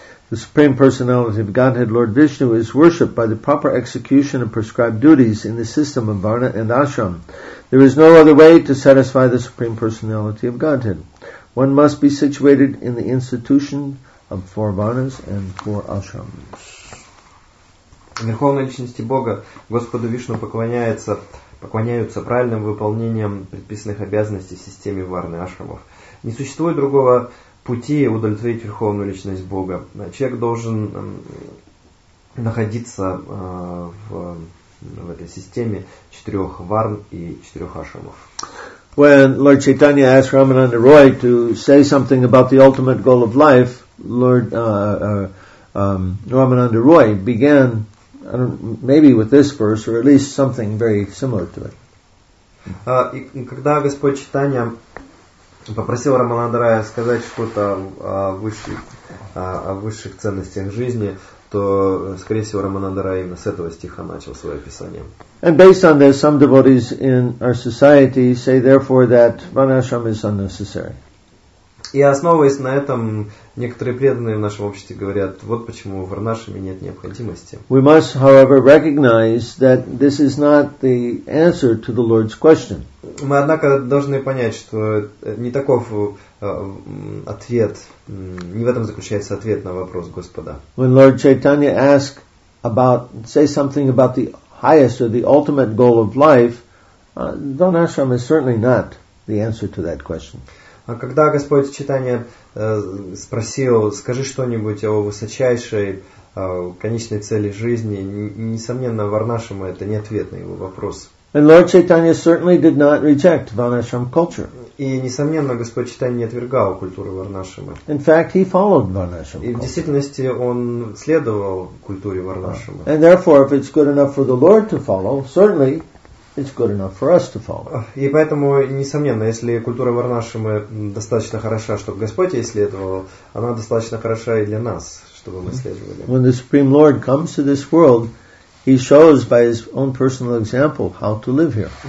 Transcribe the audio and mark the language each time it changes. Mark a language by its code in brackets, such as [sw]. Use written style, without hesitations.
[en] The Supreme Personality of Godhead, Lord Vishnu, is worshipped by the proper execution of prescribed duties in the system of Varna and Ashram. There is no other way to satisfy the Supreme Personality of Godhead. One must be situated in the institution of four Varnas and four Ashrams. [ru] Верховной Личности Бога, Господу Вишну, поклоняются правильным выполнением предписанных обязанностей в системе Варны Ашрамов. Не существует другого пути удовлетворить Верховную Личность Бога. Человек должен находиться в этой системе четырех Варн и четырех Ашрамов. [en] When Lord Chaitanya asked Ramananda Roy to say something about the ultimate goal of life, Lord Ramananda Roy began, I don't, maybe with this verse, or at least something very similar to it. [ru] И когда Господь Чайтанья попросил Рамананда Рая сказать что-то о высших ценностях жизни, то, скорее всего, Рамананда Рая именно с этого стиха начал свое описание. [en] And based on this, some devotees in our society say, therefore, that Varnashram is unnecessary. [ru] И основываясь на этом, некоторые преданные в нашем обществе говорят, вот почему в Варнашраме нет необходимости. [en] We must, however, recognize that this is not the answer to the Lord's question. [ru] Мы, однако, должны понять, что не таков ответ, не в этом заключается ответ на вопрос Господа. [en] When Lord Chaitanya asked about, say something about the highest or the ultimate goal of life, Don Ashram is certainly not the answer to that question. [ru] Когда Господь Чайтанья спросил, скажи что-нибудь о высочайшей, конечной цели жизни, несомненно, Варнашрама это не ответ на его вопрос. [en] And Lord Chaitanya certainly did not reject Varnashram culture. [ru] И несомненно, Господь Чайтанья не отвергал культуру Варнашрама. [en] In fact, he followed Varnashram. [ru] И в действительности он следовал культуре Варнашрама. [en] And therefore, if it's good enough for the Lord to follow, certainly it's good enough for us to follow. [ru] И поэтому, несомненно, если культура Варнашрамы достаточно хороша, чтобы Господь ей следовал, она достаточно хороша и для нас, чтобы мы следовали. [en] When the Supreme Lord comes to this world, He shows by His own personal example how to live here.